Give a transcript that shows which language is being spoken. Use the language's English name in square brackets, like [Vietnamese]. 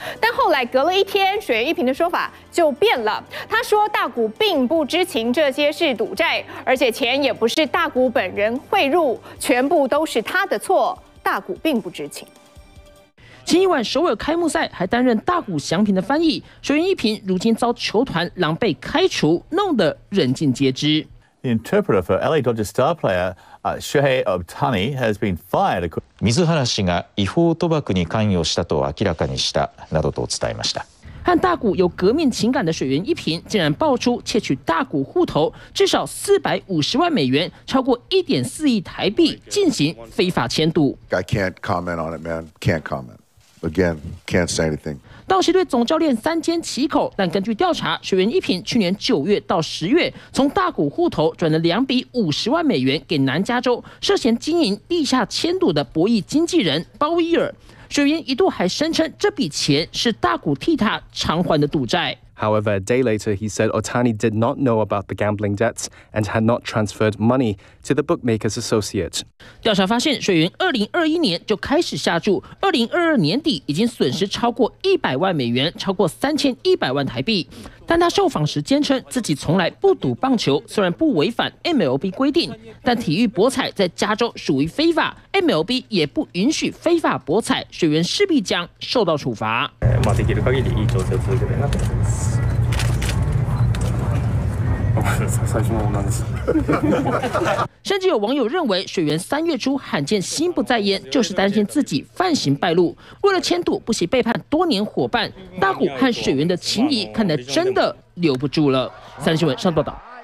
[Chinese] 但后来隔了一天，水源一平的说法就变了，他说大谷并不知情这些是赌债，而且钱也不是大谷本人汇入，全部都是他的错，大谷并不知情。前一晚首尔开幕赛还担任大谷翔平的翻译，水源一平如今遭球团狼狈开除，弄得人尽皆知。 [English] The interpreter for LA Dodgers star player Shohei Ohtani has been fired. [Japanese] 水原氏が違法賭博に関与したと明らかにしたなどと伝えました。 [Chinese] 和大谷有革命情感的水源一平竟然爆出窃取大谷户头至少450万美元，超过1.4亿台币进行非法签赌。 [English] I can't comment on it, man. Can't comment. Again, can't say anything. [Chinese] 道奇队总教练3缄其口，但根据调查，水源一平去年9月到10月从大谷户头转了250万美元给南加州涉嫌经营地下签赌的博弈经纪人鲍威尔。水源一度还声称这笔钱是大谷替他偿还的赌债。 [English] However, a day later, he said Ohtani did not know about the gambling debts and had not transferred money to the bookmaker's associate. [Chinese] 调查发现，水源2021年就开始下注，2022年底已经损失超过100万美元，超过3100万台币。但他受访时坚称自己从来不赌棒球，虽然不违反 MLB 规定，但体育博彩在加州属于非法 ，MLB 也不允许非法博彩，水源势必将受到处罚。 [Japanese] できる限りいい調整を続けたいなと思います。 [Chinese] 蔡英文王当时。甚至有网友认为，水源三月初罕见心不在焉，就是担心自己犯行败露，为了迁都不惜背叛多年伙伴大谷和水源的情谊，看来真的留不住了。三立新闻上报道。